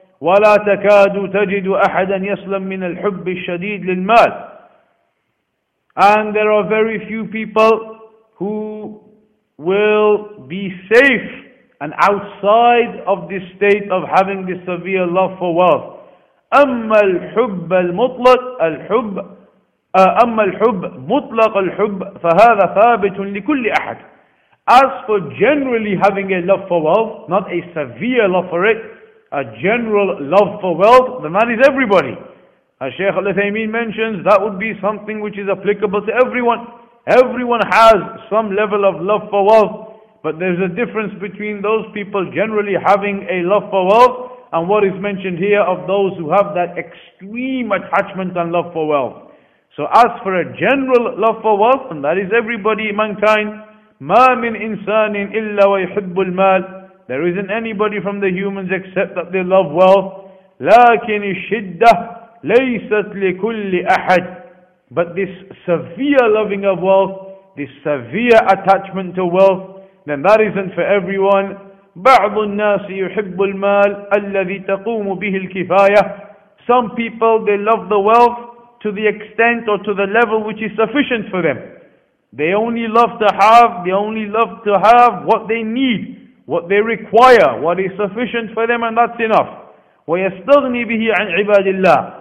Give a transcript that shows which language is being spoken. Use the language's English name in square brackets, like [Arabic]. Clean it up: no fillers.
[Arabic] وَلَا تَكَادُ تَجِدُ أَحَدًا يَسْلَمْ مِنَ الْحُبِّ الشَّدِيدِ لِلْمَالِ. [English] And there are very few people who will be safe and outside of this state of having this severe love for wealth. [Arabic] أَمَّا الْحُبَّ الْمُطْلَقِ الْحُبَّ أما الحب مطلق الحب فهذا ثابت لكل أحد. [English] As for generally having a love for wealth, not a severe love for it, a general love for wealth, then that is everybody. As Shaykh Al-Uthaymeen mentions, that would be something which is applicable to everyone. Everyone has some level of love for wealth, but there's a difference between those people generally having a love for wealth and what is mentioned here of those who have that extreme attachment and love for wealth. So as for a general love for wealth, and that is everybody, mankind, [Arabic] ما من إنسان إلا ويحب المال. [English] There isn't anybody from the humans except that they love wealth. [Arabic] لكن الشدة ليست لكل أحد. [English] But this severe loving of wealth, this severe attachment to wealth, then that isn't for everyone. [Arabic] بعض الناس يحب المال الذي تقوم به الكفاية. [English] Some people, they love the wealth to the extent or to the level which is sufficient for them. They only love to have what they need, what they require, what is sufficient for them, and that's enough. [Arabic] وَيَسْتَغْنِي بِهِ عَنْ عِبَادِ اللَّهِ.